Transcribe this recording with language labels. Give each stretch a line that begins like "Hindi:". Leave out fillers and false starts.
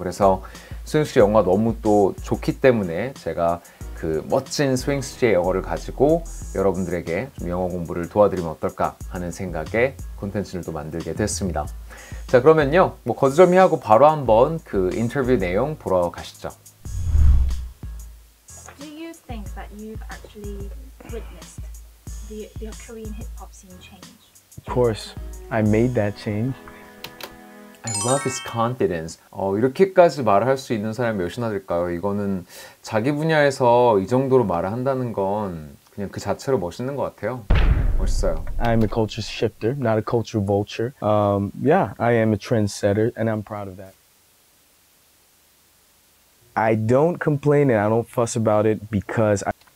Korean: 그래서 수인 씨 영어가 너무 또 좋기 때문에 제가 그 멋진 수인 씨의 영어를 가지고 여러분들에게 좀 영어 공부를 도와드리면 어떨까 하는 생각에 콘텐츠를 또 만들게 됐습니다. 자, 그러면요, 뭐 거두절미하고 바로 한번 그 인터뷰 내용 보러 가시죠.
English: Think that you've actually witnessed the Korean hip-hop scene change. Of course, I made that change. I love his confidence.
Korean: 이렇게까지 말할 수 있는 사람이 몇이나 될까요? 이거는 자기 분야에서 이 정도로 말을 한다는 건 그냥 그 자체로 멋있는 것 같아요. 멋있어요.
English: I'm a culture shifter, not a culture vulture. Yeah, I am a trendsetter, and I'm proud of that. I don't complain and I don't fuss about it because I...